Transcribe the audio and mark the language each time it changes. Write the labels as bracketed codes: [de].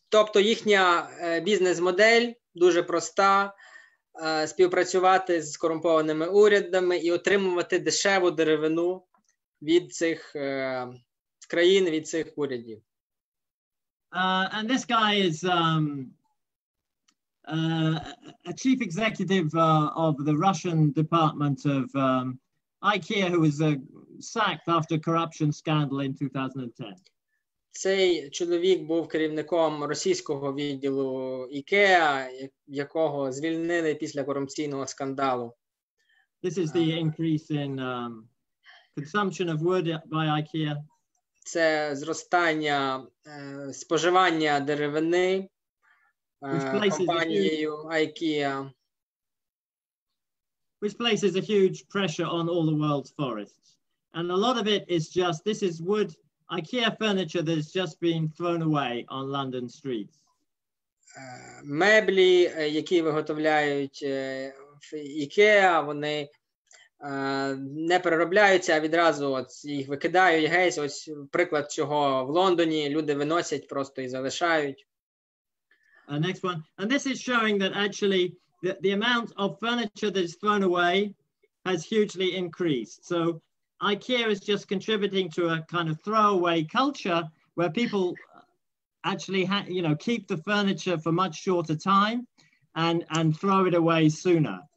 [uk] Тобто їхня бізнес-модель дуже проста: співпрацювати з корумпованими урядами і отримувати дешеву деревину від цих країн, від цих урядів. [en] And this guy is a chief executive of the Russian department of IKEA, who was sacked after corruption scandal in 2010. [uk] Цей чоловік був керівником російського відділу IKEA, якого звільнили після корупційного скандалу. [en] This is the increase in consumption of wood by IKEA. [uk] Це зростання споживання деревини компанією IKEA. [en] Which places a huge pressure on all the world's forests. And a lot of it is just, this is wood, IKEA furniture that's just been thrown away on London streets. [uk] Меблі, які виготовляють IKEA, вони не переробляються, а відразу от їх викидають геть. Ось приклад цього в Лондоні. Люди виносять просто і залишають. [en] Next one. And this is showing that actually the amount of furniture that is thrown away has hugely increased. So IKEA is just contributing to a kind of throwaway culture where people actually keep the furniture for much shorter time and throw it away sooner.